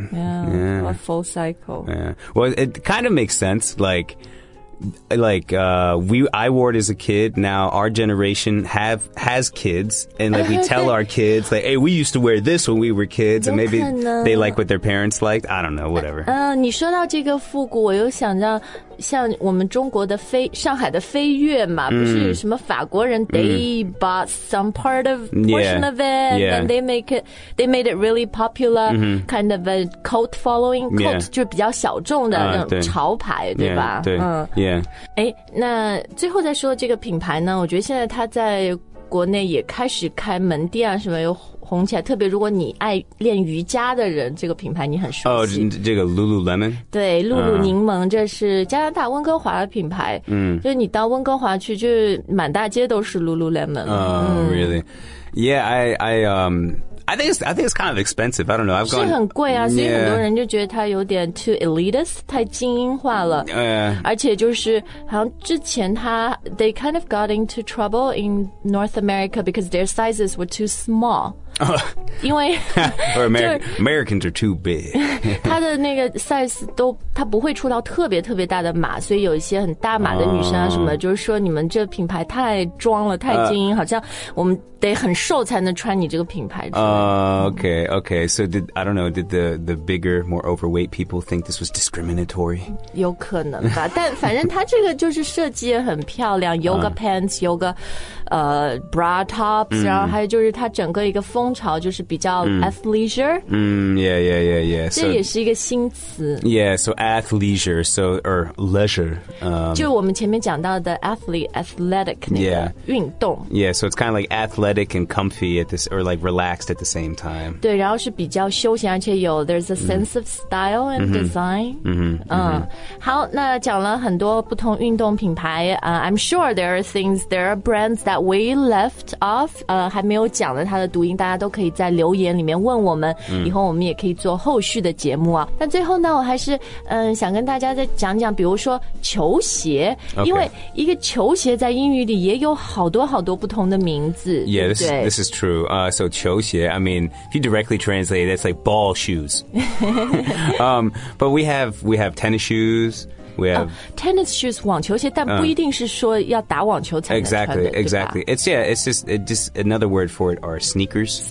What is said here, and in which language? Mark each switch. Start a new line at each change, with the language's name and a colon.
English: Yeah, yeah. A full cycle. Yeah. Well, it kind of makes sense. I wore it as a kid. Now our generation has kids, and like we tell our kids, like, hey, we used to wear this when we were kids, and maybe they like what their parents liked. I don't know. Whatever.
Chinese: 你说到这个复古，我又想到。像我们中国的飞上海的飞跃嘛、不是什么法国人、
English: they bought some part of portion of it、 yeah. and they made it really popular、 mm-hmm. kind of a cult following、 yeah.
Chinese: cult 就比较小众的那种潮牌对吧
English: yeah,
Chinese: 对、
English: yeah.
Chinese: 诶那最后再说这个品牌呢我觉得现在它在国内也开始开门店啊什么有红起来，特别如果你爱练瑜伽的人，这个品牌你很熟悉。哦，这个 Lululemon，对，露露柠檬，这是加拿大温哥华的品牌。就是你到温哥华去，就是满大街都是 Lululemon。
English: Really? Yeah, I think it's kind of expensive. I don't know. I've gone.
Chinese: 是很贵啊，所以很多人就觉得它有点
English: too elitist,
Chinese: 太精英化了。而且就是好像之前它
English: they kind of got into trouble in North America because their sizes were too small.
Chinese: 因为
English: or Americans are too big.
Chinese: 它的那个 size 都它不会出到特别特别大的码，所以有一些很大码的女生啊什么，就是说你们这品牌太装了，太精英，好像我们得很瘦才能穿你这个品牌。
English: Okay. So did I don't know? Did the bigger, more overweight people think this was discriminatory?
Chinese: 有可能吧，但反正它这个就是设计也很漂亮 ，
English: yoga pants, yoga, bra tops,
Chinese: 然后还有就是它整个一个风潮就是比较athleisure.
English: Yeah.
Chinese: 这也是一个新词。
English: Yeah. So athleisure. So or leisure.
Chinese: 就我们前面讲到的 athletic 那个 运动。
English: Yeah. So it's kind of like athletic and comfy at this, or like relaxed. At the same time.
Chinese: 对，然后是比较休闲，而且有
English: there's a sense of style and design.
Chinese: 好，那讲了很多不同运动品牌。
English: I'm sure there are brands that we left off.
Chinese: 还没有讲了它的读音，大家都可以在留言里面问我们。以后我们也可以做后续的节目啊。那最后呢，我还是想跟大家再讲讲，比如说球鞋，
English: okay.
Chinese: 因为一个球鞋在英语里也有好多好多不同的名字。
English: Yes, this is true. So 球鞋。 Yeah, I mean, if you directly translate it, it's like ball shoes. but we have tennis shoes. We have
Chinese: tennis shoes, 网球鞋，但不一定是说要打网球才能穿的。
English: Exactly. It's just another word for it are sneakers.